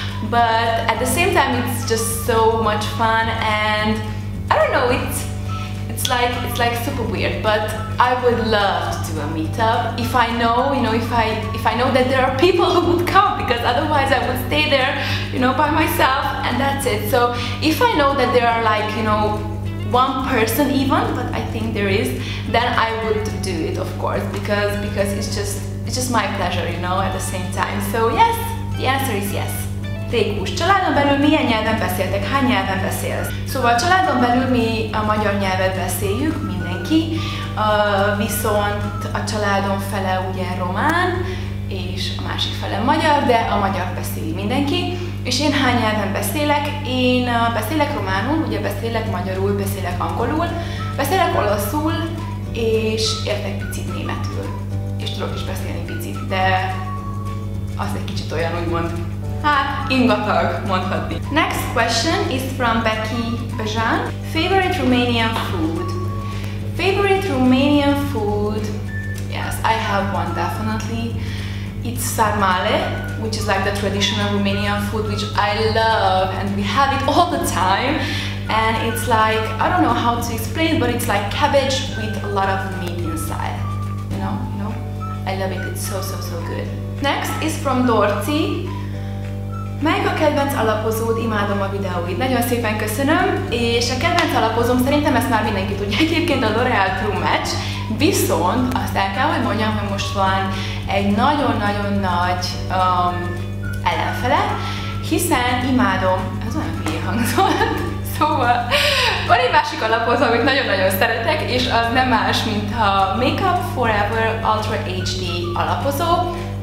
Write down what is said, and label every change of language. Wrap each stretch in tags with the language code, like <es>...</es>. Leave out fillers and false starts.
<en>But at the same time, it's just so much fun, and I don't know, it's like super weird, but I would love to do a meetup if I know, you know, if I know that there are people who would come, because otherwise I would stay there, you know, by myself, and that's it. So if I know that there are, like, you know, one person even, but I think there is, then I would do it, of course, because it's just my pleasure, you know, at the same time. So yes, the answer is yes.</en> <hu>Rékus, családon belül milyen nyelven beszéltek? Hány nyelven beszélsz? Szóval családon belül mi a magyar nyelvet beszéljük, mindenki, viszont a családom fele ugye román, és a másik fele magyar, de a magyar beszéli mindenki. És én hány nyelven beszélek? Én beszélek románul, ugye beszélek magyarul, beszélek angolul, beszélek olaszul, és értek picit németül. És tudok is beszélni picit, de az egy kicsit olyan, úgymond, hát ingatag, mondhatni.</hu> <en>Next question is from Becky Bezsán. Favorite Romanian food? Favorite Romanian food? Yes, I have one definitely. It's sarmale, which is like the traditional Romanian food, which I love, and we have it all the time. And it's like, I don't know how to explain, but it's like cabbage with a lot of meat inside. You know? I love it, it's so, so, so good. Next is from Dorci.</en> <hu>Melyik a kedvenc alapozód? Imádom a videóid. Nagyon szépen köszönöm, és a kedvenc alapozom, szerintem ezt már mindenki tudja, egyébként a L'Oréal True Match. Viszont azt el kell, hogy mondjam, hogy most van egy nagyon-nagyon nagy ellenfele, hiszen imádom, ez olyan hülye hangzott, szóval van egy másik alapozó, amit nagyon-nagyon szeretek, és az nem más, mint a Makeup Forever Ultra HD alapozó.</hu>